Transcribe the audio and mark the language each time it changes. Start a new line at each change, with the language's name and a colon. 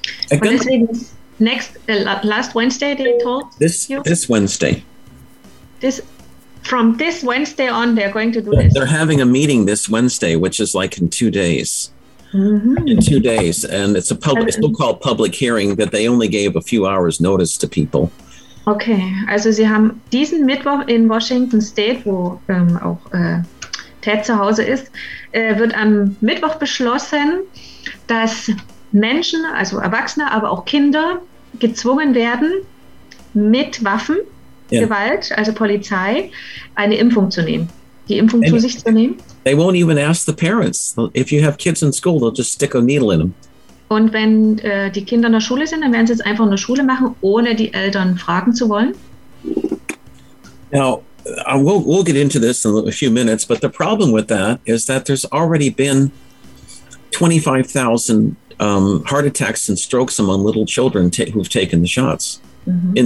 English: Last Wednesday they told This Wednesday. From this Wednesday on, they're going to do this. They're having a meeting this Wednesday, which is like in 2 days. Mm-hmm. In 2 days, and it's a public, so-called public hearing that they only gave a few hours notice to people.
German: Okay, also sie haben diesen Mittwoch in Washington State, wo auch Ted zu Hause ist, wird am Mittwoch beschlossen, dass Menschen, also Erwachsene, aber auch Kinder, gezwungen werden, mit Waffen Gewalt, also Polizei, eine Impfung zu nehmen, die Impfung zu sich zu nehmen.
English: They won't even ask the parents. If you have kids in school, they'll just stick a needle in them.
German: Und wenn die Kinder in der Schule sind, dann werden sie es einfach in der Schule machen, ohne die Eltern fragen zu wollen.
English: Now, we'll get into this in a few minutes, but the problem with that is that there's already been 25,000 heart attacks and strokes among little children who've taken the shots, mm-hmm.